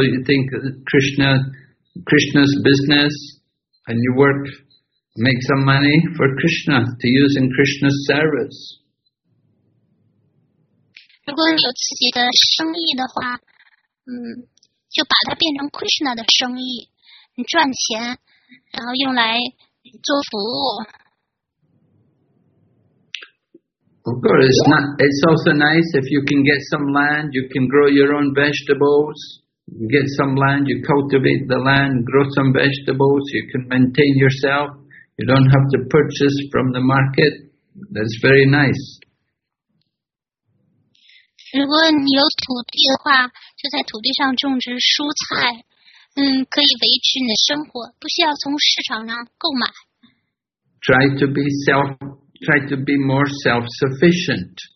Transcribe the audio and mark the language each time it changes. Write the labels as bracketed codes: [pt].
[en] You think Krishna's business, and you work, make some money for Krishna to use in Krishna's service. [zh] 如果有自己的生意的话。就把它变成 Krishna 的生意，你赚钱，然后用来做服务。 [en] Of course, it's also nice if you can get some land, you can grow your own vegetables. Get some land, you cultivate the land, grow some vegetables, you can maintain yourself. You don't have to purchase from the market. That's very nice. [zh] 如果你有土地的话，就在土地上种植蔬菜，可以维持你的生活，不需要从市场上购买。 [en] Try to be more self-sufficient.